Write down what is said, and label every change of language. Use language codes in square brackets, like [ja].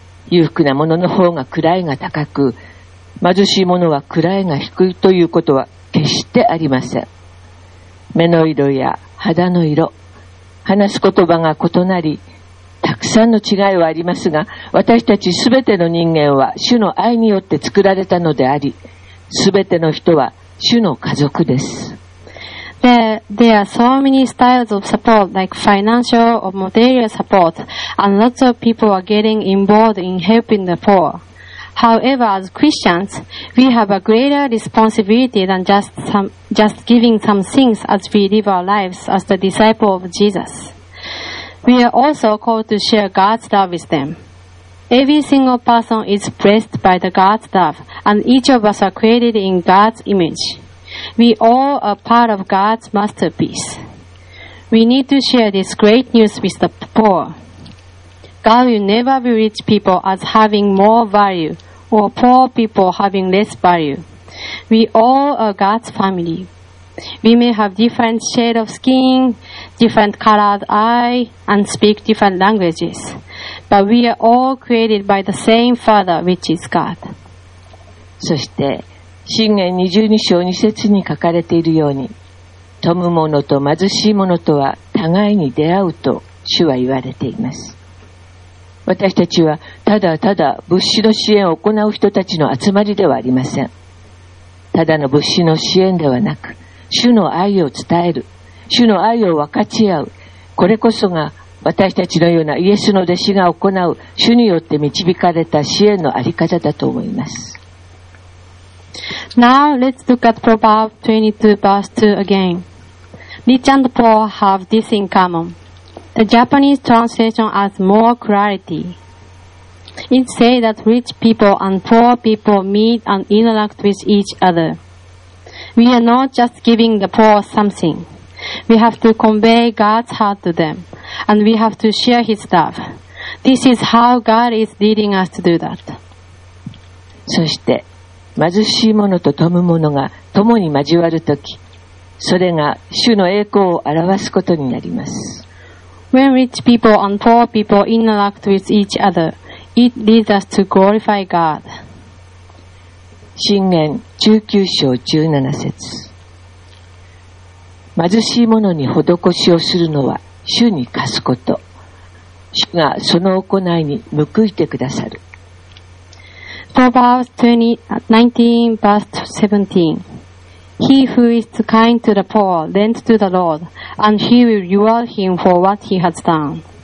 [ja] 裕福な者の方が位が高く、貧しい者は位が低いということは決してありません。目の色や肌の色、話す言葉が異なり、たくさんの違いはありますが、私たちすべての人間は主の愛によって作られたのであり、すべての人は主の家族です。 [en] There are so many styles of support, like financial or material support, and lots of people are getting involved in helping the poor. However, as Christians, we have a greater responsibility than just giving some things as we live our lives as the disciple of Jesus. We are also called to share God's love with them. Every single person is blessed by the God's love, and each of us are created in God's image. We all are part of God's masterpiece. We need to share this great news with the poor. God will never view rich people as having more value or poor people having less value. We all are God's family. We may have different shade of skin, different colored eye, and speak different languages. But we are all created by the same Father, which is God. [ja] そして、箴言22章2節に書かれているように、富む者と貧しい者とは互いに出会うと主は言われています。私たちはただただ物資の支援を行う人たちの集まりではありません。ただの物資の支援ではなく、主の愛を伝える、主の愛を分かち合う、これこそが私たちのようなイエスの弟子が行う主によって導かれた支援のあり方だと思います。 [en] Now let's look at Proverbs 22 verse 2 again. Rich and poor have this in commonThe Japanese translation adds more clarity. It says that rich people and poor people meet and interact with each other. We are not just giving the poor something. We have to convey God's heart to them, and we have to share His love. This is how God is leading us to do that. [ja] そして、貧しい者と富む者が共に交わるとき、それが主の栄光を表すことになります。 [en] When rich people and poor people interact with each other, it leads us to glorify God. [ja] 箴言19章17節。貧しい者に施しをするのは主に貸すこと。主がその行いに報いてくださる。 [en] Proverbs 19 verse 17. He who is kind to the poor lends to the Lord, and he will reward him for what he has done.